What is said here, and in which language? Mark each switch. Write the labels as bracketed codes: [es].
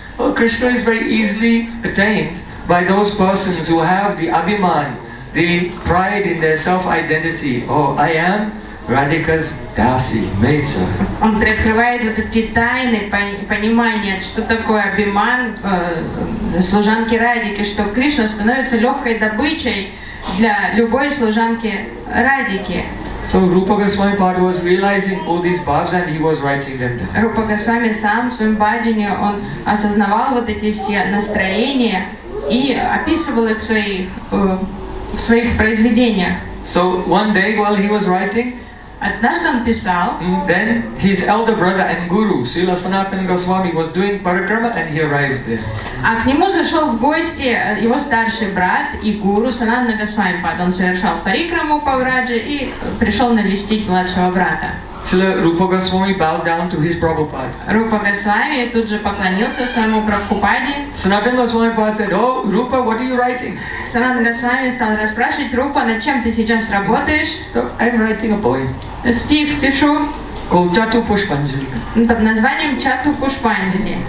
[en] Well, Krishna is very easily attained by those persons who have the Abhiman, the pride in their self-identity. Oh, I am Radhika's Dasi, Maitsar. [ru] Он приоткрывает вот эти тайны понимания, что такое Абхиман служанки Радики, что Кришна становится легкой добычей для любой служанки Радики. [en] So Rupa Goswami Pad was realizing all these bhavs and he was writing them down. [ru] Rupa Goswami сам в своем баджане он осознавал вот эти все настроения и описывал их в своих произведениях. [en] So one day while he was writing, [ru] однажды он писал, [en] then his elder brother and guru Srila Sanatana Goswami was doing parikrama and he arrived there. [ru] А к нему зашел в гости его старший брат и гуру Санатана Госвами Пад. Он совершал парикраму по врадже и пришел навестить младшего брата. [en] Srila Rupa Goswami bowed down to his Prabhupada. [ru] Rupa Goswami тут же поклонился своему Прабхупаде. [en] Sanatana Goswami Pad said, "Oh, Rupa, what are you writing?" [ru] Sanatana Goswami стал расспрашивать Рупа, над чем ты сейчас работаешь? [en] I'm writing a poem. [ru] Стих пишу. [en] Called Chatu Pushpanjali. [ru] Под названием Chatu Pushpanjali.